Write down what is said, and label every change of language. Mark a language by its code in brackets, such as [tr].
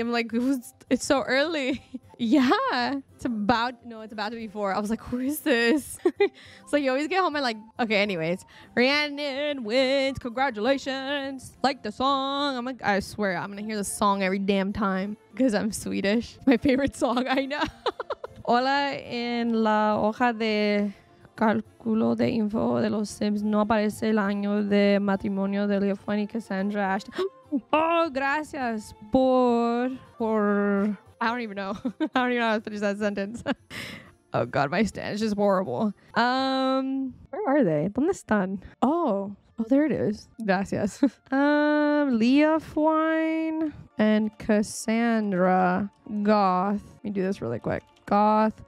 [en] I'm like, it's so early. Yeah. It's about to be 4. I was like, who is this? So you always get home and like, okay, anyways. Rhiannon wins. Congratulations. Like the song. I'm going to hear the song every damn time because I'm Swedish. My favorite song. I know. [es] Hola, en la hoja de cálculo de info de los Sims no aparece el año de matrimonio de Leofani Cassandra Ashton. Oh, gracias por... [en] I don't even know. I don't even know how to finish that sentence. Oh, God, my Spanish is horrible. Where are they? [es] ¿Dónde están? [en] Oh, there it is. Gracias. Leofwine and Cassandra Goth. Let me do this really quick. Goth.